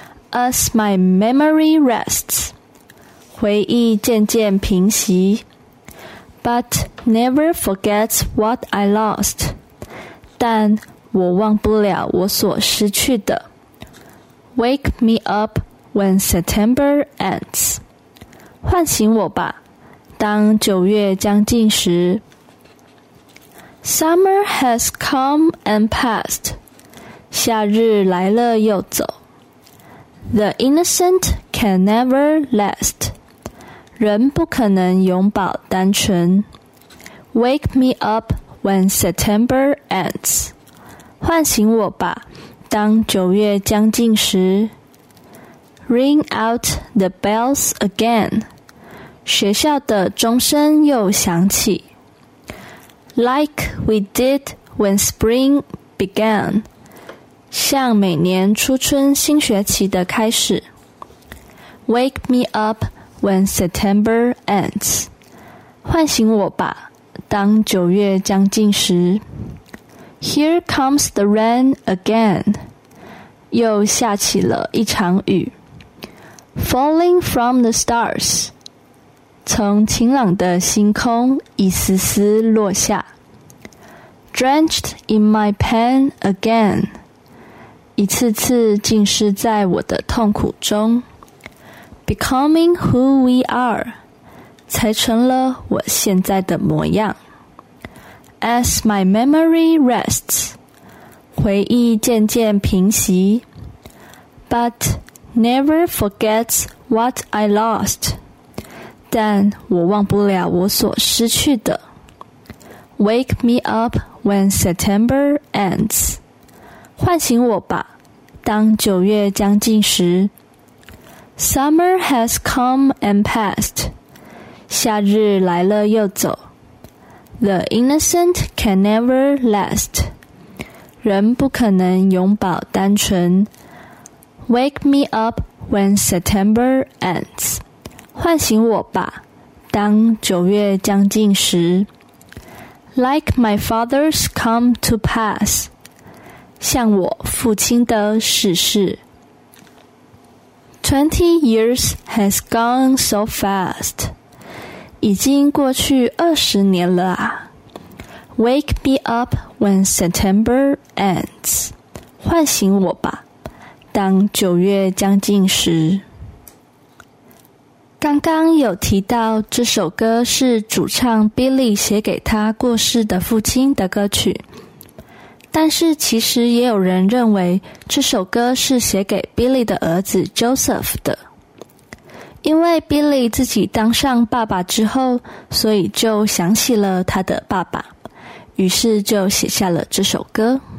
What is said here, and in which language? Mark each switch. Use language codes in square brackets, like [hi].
[en] As my memory rests, [zh] 回忆渐渐平息。 [en] But never forgets what I lost, [zh] 但我忘不了我所失去的。 [en] Wake me up when September ends, [zh] 唤醒我吧，当九月将近时。 [en] Summer has come and passed. [zh] 夏日来了又走。 [en] The innocent can never last. [zh] 人不可能永葆单纯。 [en] Wake me up when September ends. [zh] 唤醒我吧，当九月将近时。 [en] Ring out the bells again. [zh] 学校的钟声又响起。 [en] Like we did when spring began. [zh] 像每年初春新学期的开始。 [en] Wake me up when September ends. [zh] 唤醒我吧，当九月将近时。 [en] Here comes the rain again. [zh] 又下起了一场雨。 [en] Falling from the stars. [zh] 从晴朗的星空一丝丝落下。 [en] Drenched in my pain again. [zh] 一次次浸湿在我的痛苦中。 [en] Becoming who we are. [zh] 才成了我现在的模样。 [en] As my memory rests. [zh] 回忆渐渐平息。 [en] But never forgets what I lost. [zh] 但我忘不了我所失去的。 [en] Wake me up when September ends. [zh] 唤醒我吧，当九月将近时。 [en] Summer has come and passed. [zh] 夏日来了又走。 [en] The innocent can never last. [zh] 人不可能永葆单纯。 [en] Wake me up when September ends. [zh] 唤醒我吧，当九月将近时。 [en] Like my father's come to pass. [zh] 像我父亲的逝世。 [en] 20 years has gone so fast. [zh] 已经过去二十年了啊。 [en] Wake me up when September ends. [zh] 唤醒我吧，当九月将近时。刚刚有提到这首歌是主唱 Billy 写给他过世的父亲的歌曲，但是其实也有人认为这首歌是写给 Billy 的儿子 Joseph 的，因为 Billy 自己当上爸爸之后，所以就想起了他的爸爸，于是就写下了这首歌。